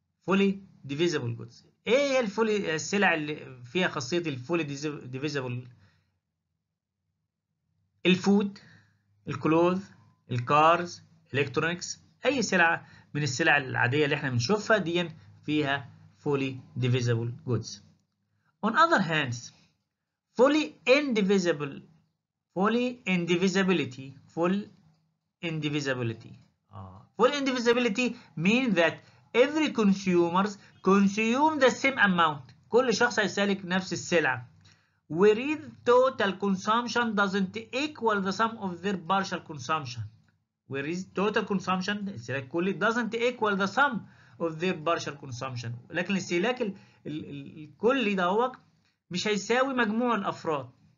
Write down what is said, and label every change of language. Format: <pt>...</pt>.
<ar>ايه هي الفولي، السلع اللي فيها خاصيه الفولي ديفيزبل؟ الفود، الكلوث، الكارز، الكترونكس، اي سلعه من السلع العاديه اللي احنا بنشوفها دي فيها</ar> <en>fully divisible goods. On other hands, Full indivisibility means that every consumer consumes the same amount.</en> <ar>كل شخص هيستهلك نفس السلعة.</ar> <en>Whereas total consumption doesn't equal the sum of their partial consumption. Whereas total consumption,</en> <ar>استهلاك كلي</ar> <en>doesn't equal the sum of their partial consumption.</en> <ar>لكن استهلاك الكلي ده هو مش هيساوي مجموع الافراد.</ar>